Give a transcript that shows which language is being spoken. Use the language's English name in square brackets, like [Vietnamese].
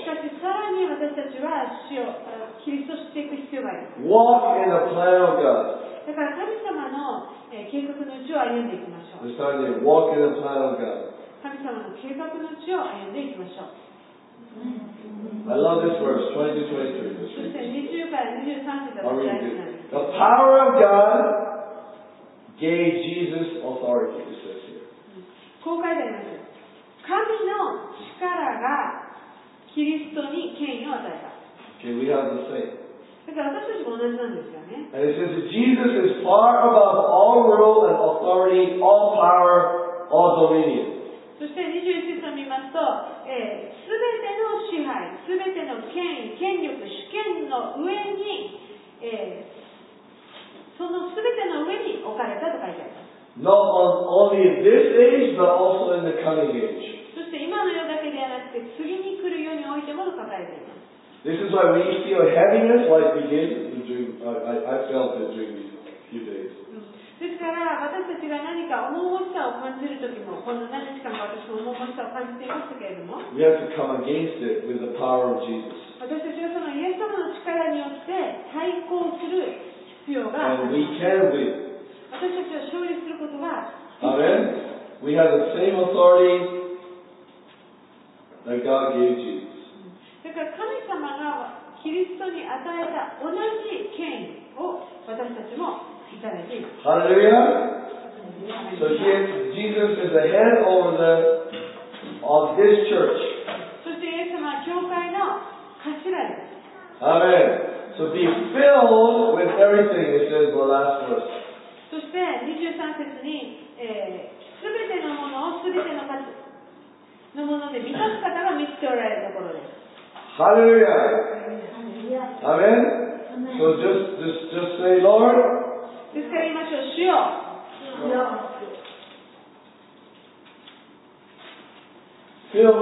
[Japanese] しかしさらに私たちは知を、キリストを知っていく必要があります。 [English] Walk in the plan of God. [Japanese] だから神様の計画の地を歩んでいきましょう。 [English] We're starting to walk in the plan of God. [Japanese] 神様の計画の地を歩んでいきましょう。 [English] I love this verse, 22-23. [Japanese] そして20から23節が大事なんです。 [English] The power of God gave Jesus authority, it says here. [Japanese] こう書いてあります。神の力がキリストに権威を与えた。 [English] Okay, we have the same. [Japanese] だから私たちも同じなんですよね。 [English] And it says that Jesus is far above all rule and authority, all power, all dominion. [Japanese] そして21節を見ますと、すべての支配、すべての権威、権力、主権の上に、そのすべての上に置かれたと書いてあります。 [English] Not on only in this age, but also in the coming age. [Japanese] そして今の世だけではなくて、次に来る世においてもと書かれています。 [English] This is why when you feel heaviness, like begin, I felt it during these few days. [Japanese] ですから私たちが何か重々しさを感じるときも、この何日間か私も重々しさを感じていましたけれども、 [English] We have to come against it with the power of Jesus. [Japanese] 私たちはそのイエス様の力によって対抗する必要があります。 [English] And we can win. [Japanese] 私たちは勝利することが、 [English] Amen. We have the same authority that God gave Jesus. [Japanese] だから神様がキリストに与えた同じ権威を私たちもいただいています。ハレルヤ。 [English] So here, Jesus is the head over the of His church. [Japanese] そしてイエス様は教会の頭です。アメン。 [English] So be filled with everything, it says the last verse. [Japanese] そして23節に、すべてのものをすべての数のもので満たす方が満ちておられるところです。 [English] Hallelujah. Amen. So just say, Lord. [Japanese] ですから言いましょう、主よ。